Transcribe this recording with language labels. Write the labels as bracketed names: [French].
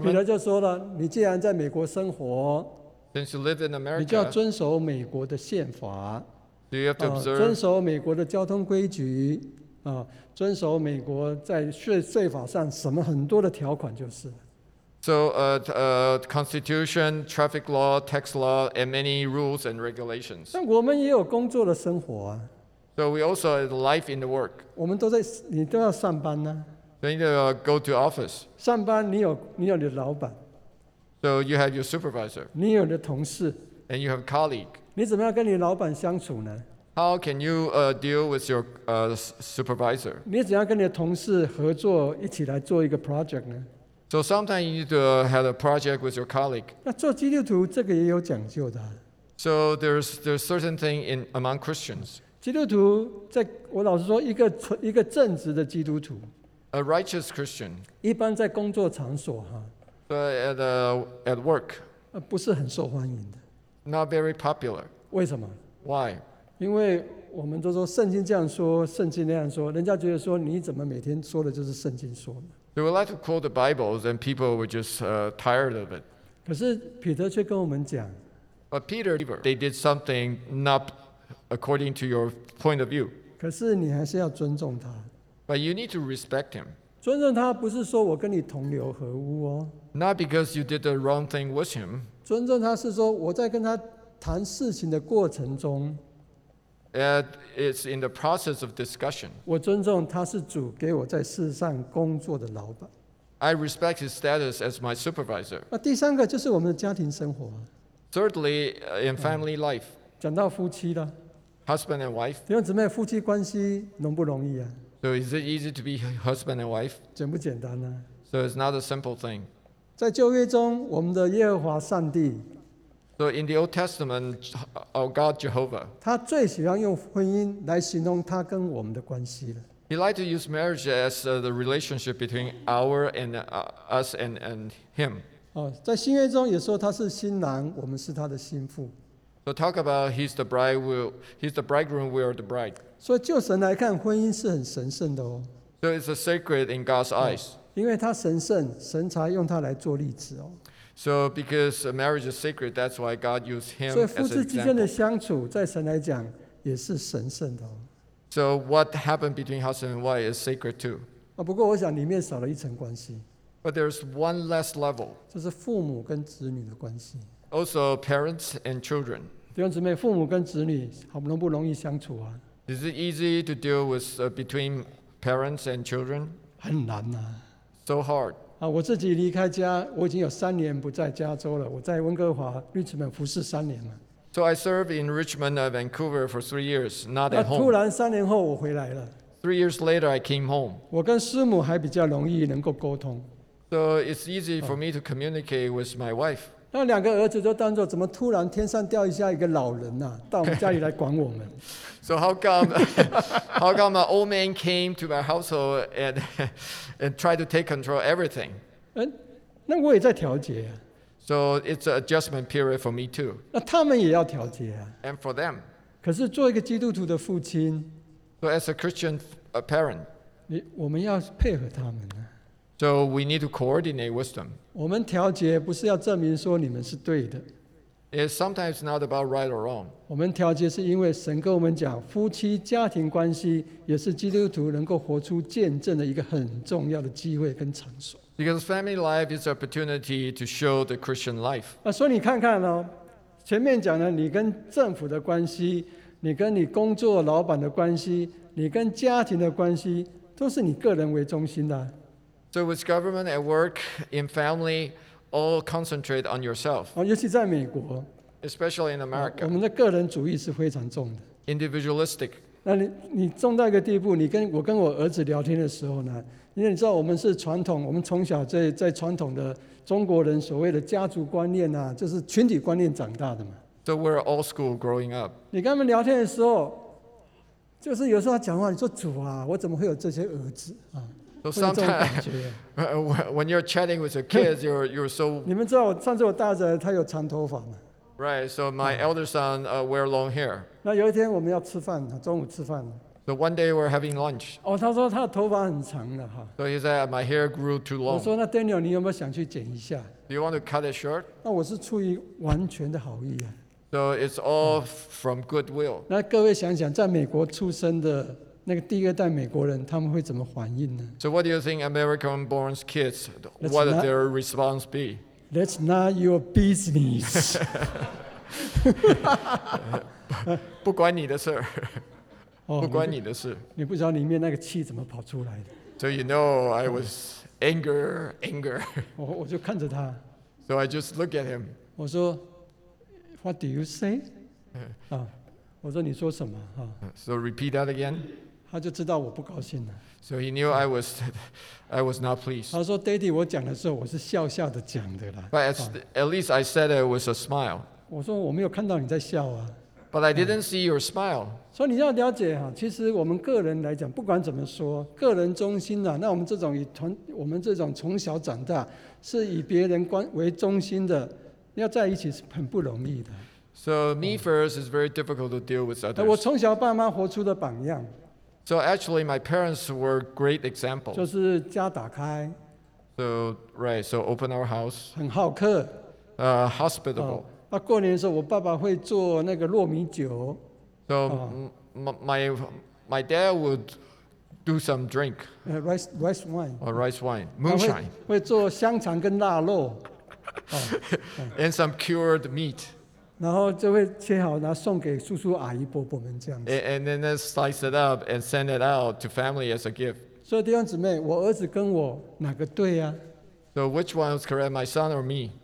[Chinese] 彼得就说了，你既然在美国生活 [English] ，Since you live in America, [Chinese] 你就要遵守美国的宪法 [English] ，You have to observe [Chinese] 遵守美国的交通规矩，遵守美国在税法上什么很多的条款就是。 [English] So, constitution, traffic law, tax law, and many rules and regulations. [Chinese] 但我们也有工作的生活啊。 [English] So we also have life in the work. [Chinese] 我们你都要上班呢。 [English] Then you go to office. [Chinese] 上班你有你的老板。 [English] So you have your supervisor. [Chinese] 你有你的同事。 [English] And you have colleague. [Chinese] 你怎么样跟你老板相处呢 [English] ？How can you deal with your supervisor? [Chinese] 你怎样跟你的同事合作，一起来做一个 project 呢？ [English] So sometimes you need to have a project with your colleague. [Chinese] 那做基督徒这个也有讲究的。 [English] So there's certain thing in among Christians. [Chinese] 基督徒在我老实说，一个正直的基督徒。 [English] A righteous Christian. [Chinese] 一般在工作场所哈。 [English] At work. [Chinese] 不是很受欢迎的。 [English] Not very popular. [Chinese] 为什么 [English] ？Why？ [Chinese] 因为我们都说圣经这样说，圣经那样说，人家觉得说你怎么每天说的就是圣经说呢？ [English] There were a lot of quoted Bibles, and people were just tired of it. [Chinese] 可是彼得却跟我们讲 [English] ，But Peter, they did something not according to your point of view. [Chinese] 可是你还是要尊重他。 [English] But you need to respect him. [Chinese] 尊重他不是说我跟你同流合污哦。 [English] Not because you did the wrong thing with him. [Chinese] 尊重他是说我在跟他谈事情的过程中。 [English] And it's in the process of discussion. [Chinese] 我尊重他是主给我在世上工作的老板。 [English] I respect his status as my supervisor. [Chinese] 那第三个就是我们的家庭生活。 [English] Thirdly, in family life. [Chinese] 讲到夫妻了。 [English] Husband and wife. [Chinese] 弟兄姊妹，夫妻关系容不容易啊？ [English] So is it easy to be husband and wife? [Chinese] 简不简单呢？ [English] So it's not a simple thing. [Chinese] 在旧约中，我们的耶和华上帝。 [English] So in the Old Testament, our God Jehovah, [Chinese] 他最喜欢用婚姻来形容他跟我们的关系了。 [English] He liked to use marriage as the relationship between our and us and him. [Chinese] 在新约中也说他是新郎，我们是他的新妇。 [English] So talk about he's the bride, he's the bridegroom, we are the bride. [Chinese] 所以就神来看，婚姻是很神圣的哦。 [English] So it's a sacred in God's eyes. [Chinese] 因为他神圣，神才用他来做例子哦。 [English] So because marriage is sacred, that's why God used him as [Chinese] 所以夫妻之间的相处，在神来讲也是神圣的。 [English] So what happened between husband and wife is sacred too. [Chinese] 不过我想里面少了一层关系。 [English] But there's one less level. [Chinese] 就是父母跟子女的关系。 [English] Also parents and children. [Chinese] 弟兄姊妹，父母跟子女好容不容易相处啊？ [English] Is it easy to deal with between parents and children? [Chinese] 很难啊。 [English] So hard. [Chinese] 我自己离开家，我已经有三年不在加州了。我在温哥华 Richmond 服侍三年了。 [English] So I served in Richmond, Vancouver for 3 years, not at home. [Chinese] 突然三年后我回来了。 [English] 3 years later, I came home. [Chinese] 我跟师母还比较容易能够沟通。 [English] So it's easy for me to communicate with my wife. [Chinese] 那两个儿子就当作怎么突然天上掉一下一个老人呐、啊，到我们家里来管我们。 [English] So how come an old man came to my household and tried to take control of everything? [Chinese] 那我也在调节、啊。 [English] So it's an adjustment period for me too. [Chinese] 那他们也要调节、啊、 [English] And for them. [Chinese] 可是做一个基督徒的父亲 [English] ，So as a Christian a parent, [Chinese] 我们要配合他们、啊、 [English] So we need to coordinate with them. [Chinese] 我们调节不是要证明说你们是对的。 [English] It's sometimes not about right or wrong. [Chinese] 我们调节是因为神跟我们讲，夫妻家庭关系也是基督徒能够活出见证的一个很重要的机会跟场所。 [English] Because family life is an opportunity to show the Christian life. [Chinese] 所以你看看哦，前面讲了你跟政府的关系，你跟你工作老板的关系，你跟家庭的关系，都是你个人为中心的。 [English] So with government at work, in family,All concentrate on yourself. [Chinese] 尤其在美国 [English] especially in America. [Chinese] 我们的个人主义是非常重的 [English] individualistic. [Chinese] 那你重到一个地步，我跟我儿子聊天的时候呢，因为你知道我们是传统，我们从小在传统的中国人所谓的家族观念啊，就是群体观念长大的嘛。 [English] So we're old school growing up. [Chinese] 你跟他们聊天的时候，就是有时候他讲话，你说主啊，我怎么会有这些儿子啊？ [English] So sometimes, when you're chatting with your kids, you're so. [Chinese] 你们知道我上次我大儿子他有长头发吗 [English] ？Right. So my elder son wear long hair. [Chinese] 那有一天我们要吃饭，中午吃饭。 [English] So one day we're having lunch. [Chinese] 他说他的头发很长的哈。 [English] So he said my hair grew too long. [Chinese] 我说那 Daniel， 你有没有想去剪一下 [English] ？Do you want to cut it short？ [Chinese] 那我是出于完全的好意啊。 [English] So it's all from goodwill. [Chinese] 那各位想想，在美国出生的。那个第二代美国人他们会怎么反应呢 [English] ？So what do you think American-born kids? What would their response be? That's not your business. [Chinese] 不关你的事儿，不关你的事。你不知道里面那个气怎么跑出来的。 [English] So you know I was anger. [Chinese] 我就看着他。 [English] So I just look at him. [Chinese] 我说 ， [English] What do you say? [Chinese] 我说你说什么啊 [English] ？So repeat that again. [Chinese] 他就知道我不高兴了。 [English] So he knew I was not pleased. [Chinese] 他说 ：“Daddy， 我讲的时候我是笑笑的讲的啦。 [English] ”But at least I said it with a smile. [Chinese] 我说我没有看到你在笑啊。 [English] But I didn't see your smile. [Chinese] 所以你要了解哈，其实我们个人来讲，不管怎么说，个人中心的、啊，那我们这种从小长大是以别人为中心的，要在一起是很不容易的。 [English] So me first is very difficult to deal with others. [Chinese] 我从小爸妈活出的榜样。 [English] So actually, my parents were great examples. [Chinese] 就是家打开。 [English] So right, so open our house. [Chinese] 很好客。 [English] Hospitable. [Chinese] 那过年的时候，我爸爸会做那个糯米酒。 [English] So my dad would do some drink. Rice wine. Or rice wine, moonshine. [Chinese] 会做香肠跟腊肉。 [English] And some cured meat. [Chinese] 然后就会切好，然后送给叔叔阿姨伯伯们这样子。 [English] And then they slice it up and send it out to family as a gift. [Chinese] 所以弟兄姊妹，我儿子跟我哪个对啊？ [English] So which one is correct, my son or me?